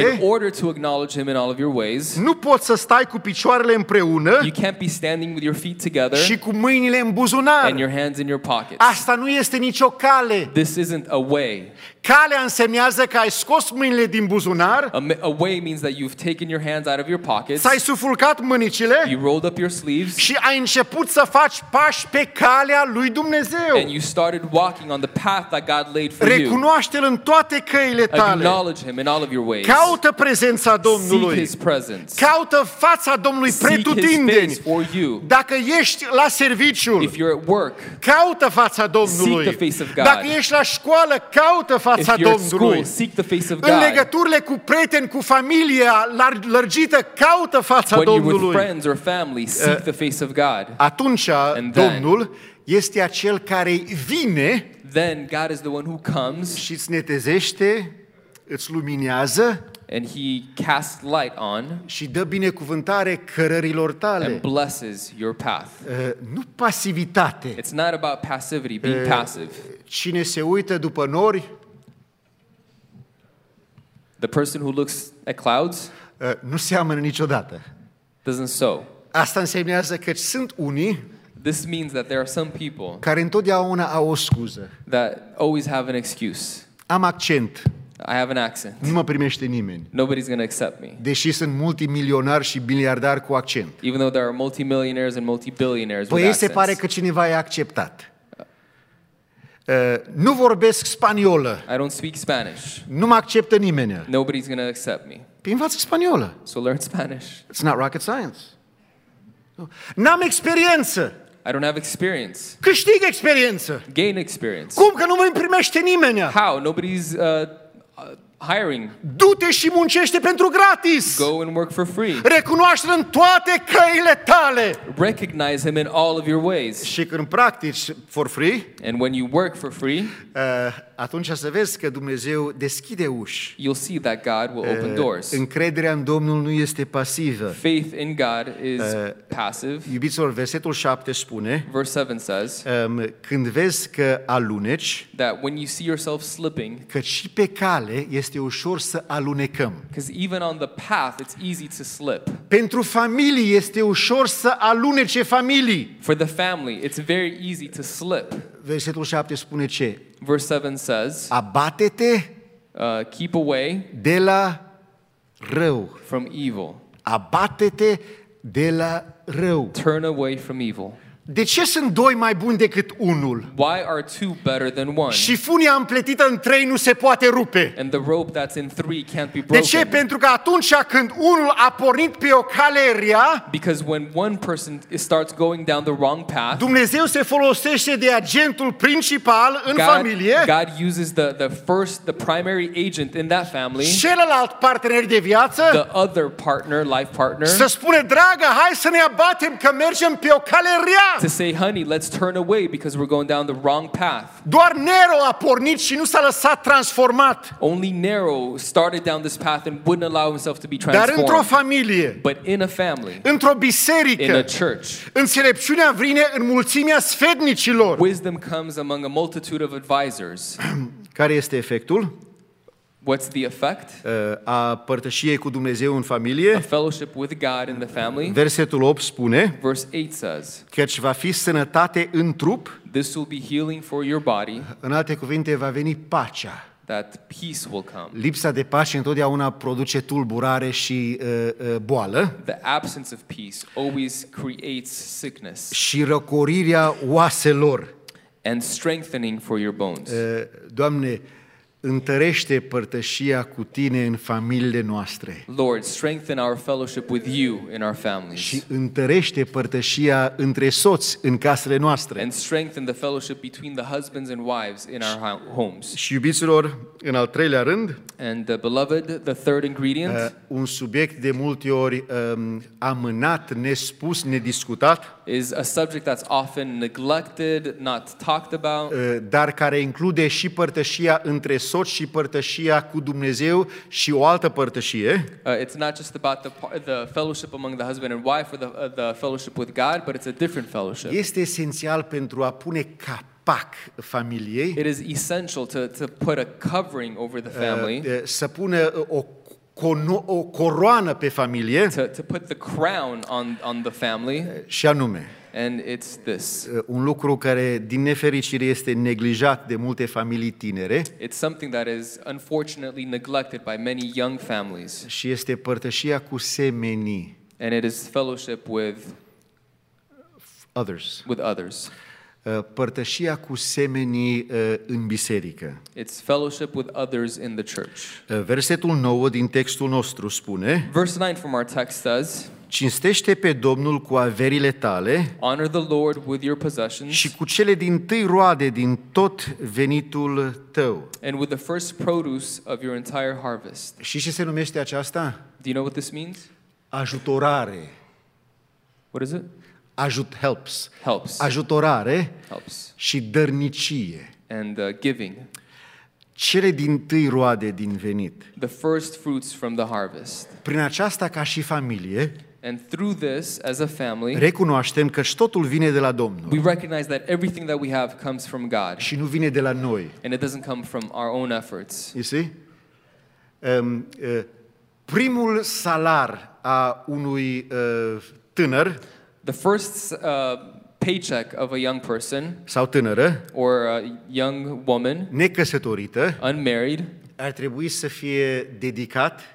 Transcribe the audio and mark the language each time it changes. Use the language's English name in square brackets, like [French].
[English] In order to acknowledge him in all of your ways. [Romanian] Nu poți să stai cu picioarele împreună. [English] You can't be standing with your feet together. [Romanian] Și cu mâinile în buzunar. [English] And your hands in your pockets. [Romanian] Asta nu este nicio cale. [English] This isn't a way. [Romanian] Calea însemnează că ai scos mâinile din buzunar. [English] A way means that you've taken your hands out of your pockets. [Romanian] S-ai sufulcat mânicile. [English] You rolled up your sleeves. [Romanian] Și ai început să faci pași pe calea lui Dumnezeu. [English] And you started walking on the path that God laid for you. [Romanian] Recunoaște-l în toate căile tale. [English] Acknowledge him in all of your ways. [Romanian] Caută prezența Domnului. [English] Seek his presence. [Romanian] Caută fața Domnului pretutindeni. [English] Seek his face for you. [Romanian] Dacă ești la serviciu. [English] If you're at work. [Romanian] Caută fața Domnului. [English] Seek the face of God. [Romanian] Dacă ești la școală, caută fața Domnului. [English] If you're at school, seek the face of God. [Romanian] În legăturile cu prieteni, cu familia lărgită, caută fața Domnului. [English] When you're with friends or family, seek the face of God. [Romanian] Atunci Domnul este acel care vine, [English] then God is the one who comes, [Romanian] și îți netezește, îți luminează, [English] and he casts light on, [Romanian] și dă binecuvântare cărărilor tale, [English] and blesses your path. [Romanian] Nu pasivitate. [English] It's not about passivity, being passive. [Romanian] Cine se uită după nori, [English] the person who looks at clouds, [Romanian] nu seamănă niciodată. [English] Doesn't sow. [Romanian] Asta înseamnă că sunt unii. [English] This means that there are some people [Romanian] care întotdeauna au o scuză. [English] That always have an excuse. [Romanian] Am accent. [English] I have an accent. [Romanian] Nu mă primește nimeni. [English] Nobody's going to accept me. [Romanian] Deși sunt multimilionar și biliardar cu accent. [English] Even though there are multimillionaires and multibillionaires with accents. [Romanian] Păi se pare că cineva e acceptat. Nu vorbesc spaniolă. [English] I don't speak Spanish. [Romanian] Nu mă acceptă nimeni. [English] Nobody's going to accept me. [Romanian] Păi învață spaniolă. [English] So learn Spanish. It's not rocket science. [Romanian] N-am experiență. [English] I don't have experience. [Romanian] Câștig experiență. [English] Gain experience. [Romanian] Cum că nu mă primește nimeni? [English] How? Nobody's hiring. [Romanian] Du-te și muncește pentru gratis. [English] Go and work for free. [Romanian] Recunoaște-l în toate căile tale. [English] Recognize him in all of your ways. [Romanian] Și când practici [English] for free, and when you work for free, [Romanian] atunci să vezi că Dumnezeu deschide uși. [English] You'll see that God will open doors. [Romanian] Încrederea în Domnul nu este pasivă. [English] Faith in God is passive. [Romanian] Iubiților, versetul 7 spune, [English] verse 7 says, [Romanian] când vezi că aluneci, [English] that when you see yourself slipping, [Romanian] că și pe cale este ușor să alunecăm. [English] Because even on the path it's easy to slip. [Romanian] Pentru familii este ușor să alunece familii. [English] For the family it's very easy to slip. [Romanian] Versetul 7 spune ce? [English] Verse 7 says, [Romanian] abate-te, [English] keep away, [Romanian] de la rău. [English] From evil. [Romanian] Abate-te de la rău. [English] Turn away from evil. [Romanian] De ce sunt doi mai buni decât unul? [English] Why are two better than one? [Romanian] Și funia împletită în trei nu se poate rupe. [English] And the rope that's in three can't be broken. [Romanian] De ce? Pentru că atunci când unul a pornit pe o cale rea, [English] because when one person starts going down the wrong path, [Romanian] Dumnezeu se folosește de agentul principal în familie. [English] God uses the primary agent in that family. [Romanian] Celălalt partener de viață, [English] the other partner, life partner, [Romanian] să spune: dragă, hai să ne abatem că mergem pe o cale rea. [English] To say, honey, let's turn away because we're going down the wrong path. [Romanian] Doar Nero a pornit și nu s-a lăsat transformat. [English] Only Nero started down this path and wouldn't allow himself to be transformed. [Romanian] Dar într-o familie, [English] but in a family, [Romanian] într-o biserică, [English] in a church, [Romanian] înțelepciunea vine în mulțimea sfetnicilor. [English] Wisdom comes among a multitude of advisors. [Romanian] Care este efectul? [English] What's the effect? [Romanian] A părtășiei cu Dumnezeu în familie. [English] A fellowship with God in the family. [Romanian] Versetul 8 spune. [English] Verse 8 says. [Romanian] Căci va fi sănătate în trup. [English] This will be healing for your body. [Romanian] În alte cuvinte, va veni pacea. [English] That peace will come. [Romanian] Lipsa de pace întotdeauna produce tulburare și boală. [English] The absence of peace always creates sickness. [Romanian] Și răcorirea oaselor. [English] And strengthening for your bones. [Romanian] Doamne, întărește părtășia cu tine în familiile noastre. [English] Lord, strengthen our fellowship with you in our families. [Romanian] Și întărește părtășia între soți în casele noastre. [English] And strengthen the fellowship between the husbands and wives in our homes. [Romanian] Și iubiților, în al treilea rând, [English] and beloved, the third ingredient, [Romanian] un subiect de multe ori amânat, nespus, nediscutat, [English] is a subject that's often neglected, not talked about, [Romanian] dar care include și părtășia între soți și părtășia cu Dumnezeu și o altă părtășie. [English] It's not just about the fellowship among the husband and wife or the fellowship with God, but it's a different fellowship. [Romanian] Este esențial pentru a pune capac familiei. [English] It is essential to put a covering over the family. [Romanian] Să pună o coroană pe familie. [English] To put the crown on the family. [Romanian] Și anume, [English] and it's this. [Romanian] Un lucru care din nefericire este neglijat de multe familii tinere. [English] It's something that is unfortunately neglected by many young families. [Romanian] Și este părtășia cu semenii. [English] And it is fellowship with others. With others. [Romanian] Părtășia cu semenii în biserică. [English] It's fellowship with others in the church. [Romanian] Versetul 9 din textul nostru spune. [English] Verse 9 from our text says. [Romanian] Cinstește pe Domnul cu averile tale. [English] Honor the Lord with your possessions. [Romanian] Și cu cele din tâi roade din tot venitul tău. [English] And with the first produce of your entire harvest. [Romanian] Și ce se numește aceasta? [English] Do you know what this means? [Romanian] Ajutorare. [English] What is it? Helps. Helps. [Romanian] Ajutorare. [English] Helps. [Romanian] Și dărnicie. [English] And giving. [Romanian] Cele din tâi roade din venit. [English] The first fruits from the harvest. [Romanian] Prin aceasta, ca și familie, [English] and through this as a family, [Romanian] recunoaștem că totul vine de la Domnul. [English] We recognize that everything that we have comes from God. [Romanian] Și nu vine de la noi. [English] And it doesn't come from our own efforts. You see? [Romanian] Primul salar a unui tânăr, [English] the first paycheck of a young person, [Romanian] sau tânără, [English] or a young woman, [Romanian] necăsătorită, [English] unmarried, [Romanian] ar trebui să fie dedicat,